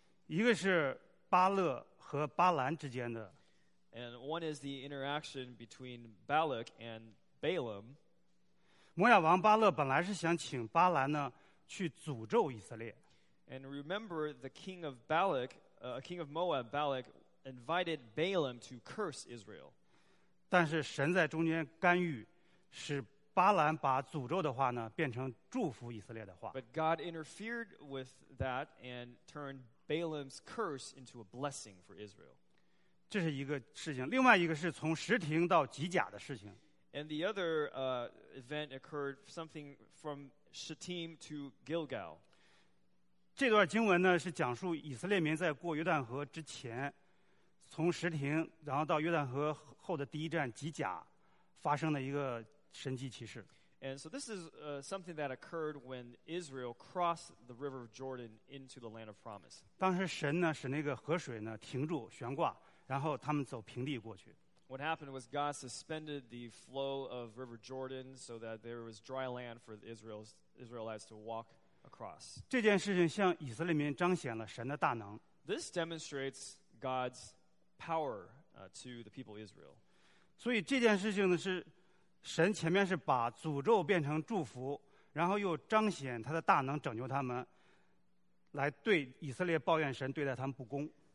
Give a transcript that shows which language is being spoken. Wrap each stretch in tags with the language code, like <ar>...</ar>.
<zh>一个是巴勒和巴兰之间的。</zh> <en>And one is the interaction between Balak and Balaam.</en> <zh>摩亚王巴勒本来是想请巴兰呢去诅咒以色列。</zh> <en>And remember the king of Balak, king of Moab, Balak, invited Balaam to curse Israel.</en> <zh>但是神在中间干预，使巴兰把诅咒的话呢变成祝福以色列的话。</zh> <en>But God interfered with that and turned Balaam's curse into a blessing for Israel.</en> <zh>这是一个事情，另外一个是从实庭到吉甲的事情。</zh> <en>And the other event occurred something from Shittim to Gilgal.</en> <zh>这段经文呢是讲述以色列民在过约旦河之前，从实庭然后到约旦河后的第一站吉甲发生的一个神迹奇事。</zh> <en>And so this is something that occurred when Israel crossed the river of Jordan into the land of promise.</en> <zh>当时神呢使那个河水呢停住悬挂，然后他们走平地过去。</zh> <en>What happened was God suspended the flow of River Jordan so that there was dry land for the Israelites to walk across.</en> <zh>这件事情向以色列民彰显了神的大能。</zh> <en>This demonstrates God's power to the people of Israel.</en> <zh>所以这件事情呢是神前面是把诅咒变成祝福，然后又彰显他的大能拯救他们，来对以色列抱怨神对待他们不公。</zh>